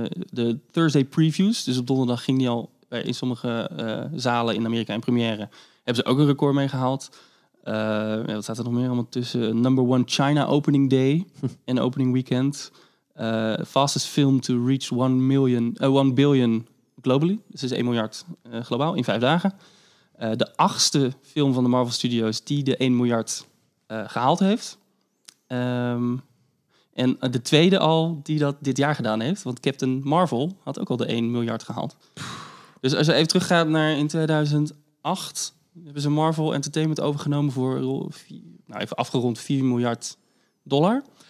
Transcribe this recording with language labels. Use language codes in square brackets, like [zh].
[nl] De Thursday previews, dus op donderdag ging die al in sommige zalen in Amerika in première, hebben ze ook een record mee gehaald. Wat staat er nog meer allemaal tussen? [en] Number one China opening day en opening weekend. Fastest film to reach 1 billion globally. [nl] Dus is 1 miljard globaal in 5 dagen. De 8e film van de Marvel Studios die de 1 miljard gehaald heeft. En de 2e al die dat dit jaar gedaan heeft. Want Captain Marvel had ook al de 1 miljard gehaald. Dus als je even teruggaat naar in 2008... hebben ze Marvel Entertainment overgenomen voor, nou even afgerond, 4 miljard dollar.